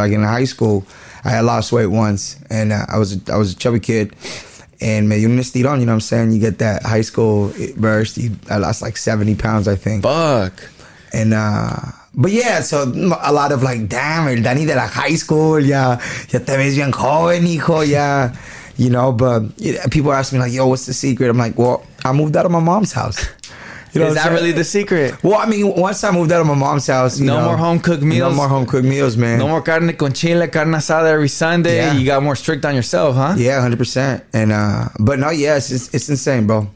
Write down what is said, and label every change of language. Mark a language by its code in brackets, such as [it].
[en] Like in high school, I had lost weight once, and I was a chubby kid. And man, you missed it on, you know what I'm saying? You get that high school burst. I lost like 70 pounds, I think. Fuck. And, but yeah, so a lot of like, damn, [es] el Danny de la [en] high school, yeah. [es] Ya te ves bien joven, hijo, yeah. [en] You know, but people ask me like, yo, what's the secret? I'm like, well, I moved out of my mom's house. You know, is that really the secret? Well, I mean, once I moved out of my mom's house, you know. No more home-cooked meals. No more home-cooked meals, man. No more [es] carne con chile, carne asada [en] every Sunday. Yeah. You got more strict on yourself, huh? Yeah, 100%. And it's insane, bro.